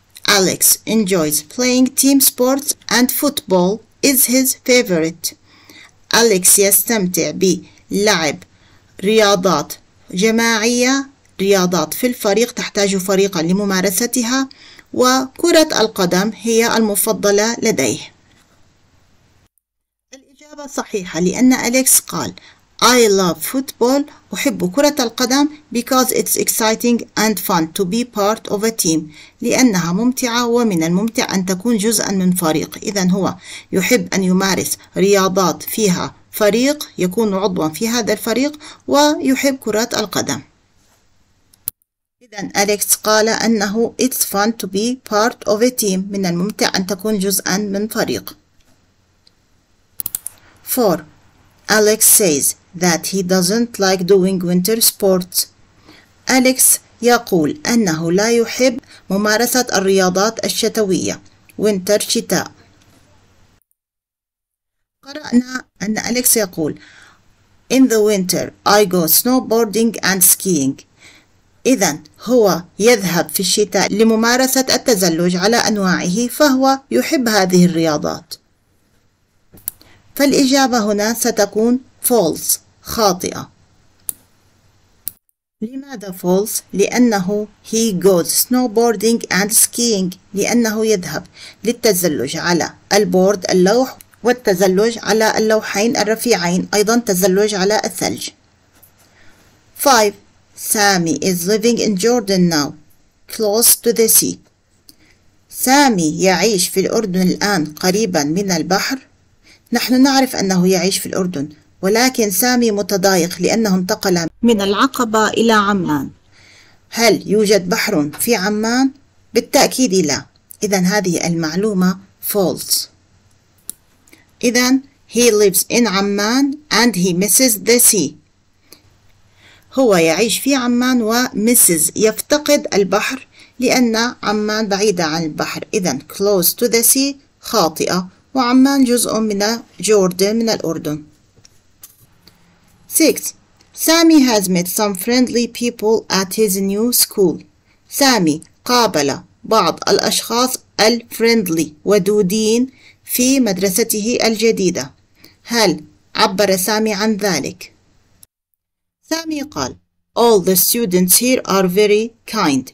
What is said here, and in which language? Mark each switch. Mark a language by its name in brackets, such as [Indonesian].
[English] Alex enjoys playing team sports and football is his favorite. [Arabic] Alex يستمتع بلعب رياضات جماعية، رياضات في الفريق تحتاج فريقا لممارستها، وكرة القدم هي المفضلة لديه. الإجابة صحيحة لأن Alex قال [English] I love football، [Arabic] أحب كرة القدم، [English] because it's exciting and fun to be part of a team، [Arabic] لأنها ممتعة ومن الممتع أن تكون جزءا من فريق. إذا هو يحب أن يمارس رياضات فيها فريق، يكون عضوا في هذا الفريق، ويحب كرة القدم. إذا أليكس قال أنه [English] it's fun to be part of a team، [Arabic] من الممتع أن تكون جزءا من فريق. 4. [English] Alex says that he doesn't like doing winter sports. [Arabic] Alex يقول أنه لا يحب ممارسة الرياضات الشتوية. Winter، شتاء. قرأنا أن أليكس يقول [English] In the winter I go snowboarding and skiing. [Arabic] إذا هو يذهب في الشتاء لممارسة التزلج على أنواعه، فهو يحب هذه الرياضات. فالإجابة هنا ستكون false، خاطئة. لماذا false؟ لأنه [English] he goes snowboarding and skiing، [Arabic] لأنه يذهب للتزلج على البورد، اللوح، والتزلج على اللوحين الرفيعين، أيضا تزلج على الثلج. 5. [English] Sammy is living in Jordan now, close to the sea. [Arabic] سامي يعيش في الأردن الآن قريبا من البحر. نحن نعرف أنه يعيش في الأردن، ولكن سامي متضايق لأنه انتقل من العقبة إلى عمان. هل يوجد بحر في عمان؟ بالتأكيد لا. إذا هذه المعلومة false. [English] إذن he lives in عمان and he misses the sea. [Arabic] هو يعيش في عمان و misses يفتقد البحر لأن عمان بعيدة عن البحر. إذن [English] close to the sea [Arabic] خاطئة وعمان جزء من جوردن من الأردن. 6. [English] Sammy has met some friendly people at his new school. [Arabic] سامي قابل بعض الأشخاص الفريندلي ودودين في مدرسته الجديدة. هل عبر سامي عن ذلك؟ سامي قال [English] All the students here are very kind.